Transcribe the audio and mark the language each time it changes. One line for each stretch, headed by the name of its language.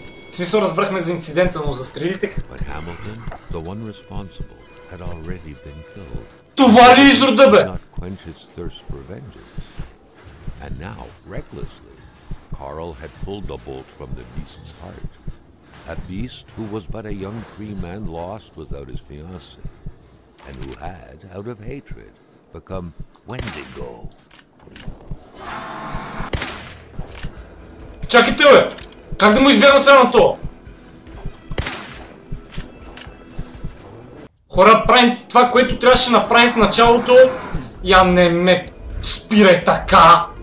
Bulgarian: В смисъл разбрахме за инцидента, но за стрелите как...
English: But Hamilton, the one responsible, had already been killed.
Bulgarian: Това ли е изрода, бе?
English: Not quench his thirst for vengeance. And now, recklessly, Carl had pulled the bolt from the beast's heart. A beast who was but a young free man lost without his fiance, and who had, out of hatred, become Wendigo.
Bulgarian: Чакайте, бе! Как да му избягам сега на то? Хора, правим това, което трябваше да направим в началото. Я не ме спирай така!